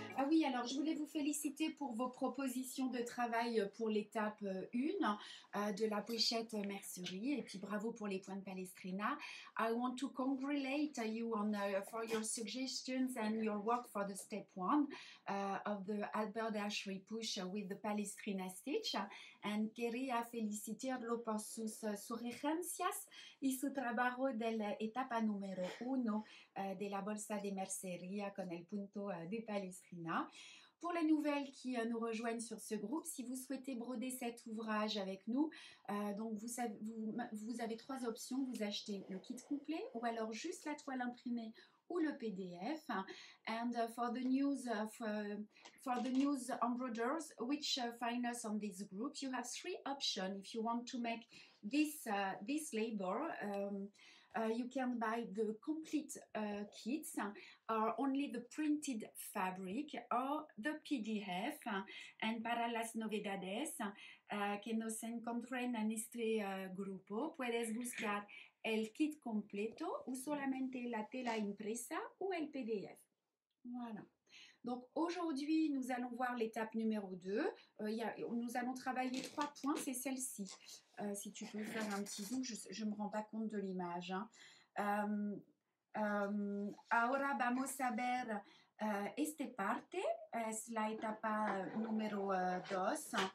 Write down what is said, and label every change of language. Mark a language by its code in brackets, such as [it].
[fr] Oui, alors je voulais vous féliciter pour vos propositions de travail pour l'étape 1 de la pochette mercerie et puis bravo pour les points de palestrina. [en] I want to congratulate you on for your suggestions and your work for the step 1 of the haberdashery push with the palestrina stitch. [es] And quería felicitarlo por sus sugerencias y su trabajo de la etapa número 1 de la bolsa de mercería con el punto de palestrina. [fr] Pour les nouvelles qui nous rejoignent sur ce groupe, si vous souhaitez broder cet ouvrage avec nous, donc vous avez trois options. Vous achetez le kit complet ou alors juste la toile imprimée ou le PDF. [en] And for the news embroiderers, which find us on this group, you have three options. If you want to make this this labor, you can buy the complete kits, or only the printed fabric, or the PDF. [es] And para las novedades que nos encontren en este grupo, puedes buscar el kit completo ou solamente la tela impresa ou el PDF. Voilà. [fr] Donc aujourd'hui, nous allons voir l'étape numéro 2. Nous allons travailler trois points, c'est celle-ci. Si tu peux faire un petit zoom, je ne me rends pas compte de l'image. Hein. [es] Ahora vamos a ver esta parte, es la etapa numéro 2.